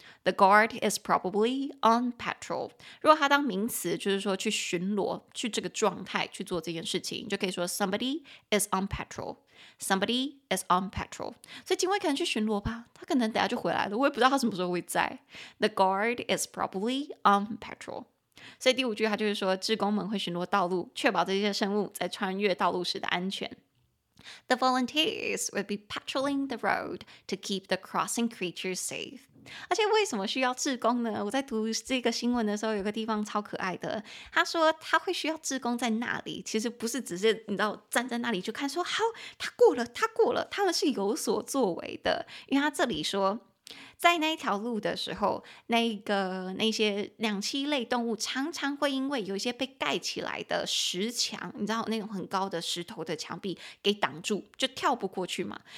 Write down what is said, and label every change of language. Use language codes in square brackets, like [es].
[en] The guard is probably on patrol. [zh] 如果它当名词，就是说去巡逻，去这个状态去做这件事情，就可以说 [en] somebody is on patrol. Somebody is on patrol. [zh] 所以警卫可能去巡逻吧，他可能等下就回来了，我也不知道他什么时候会在。 [en] The guard is probably on patrol. [zh] 所以第五句他就是说，志工们会巡逻道路，确保这些生物在穿越道路时的安全。 [en] The volunteers would be patrolling the road to keep the crossing creatures safe. [zh] 而且为什么需要志工呢？我在读这个新闻的时候，有个地方超可爱的，他说他会需要志工在那里，其实不是只是你知道站在那里就看说好，他过了，他过了，他们是有所作为的。因为他这里说，在那一条路的时候，那些两栖类动物常常会因为有一些被盖起来的石墙，你知道那种很高的石头的墙壁给挡住，就跳不过去嘛。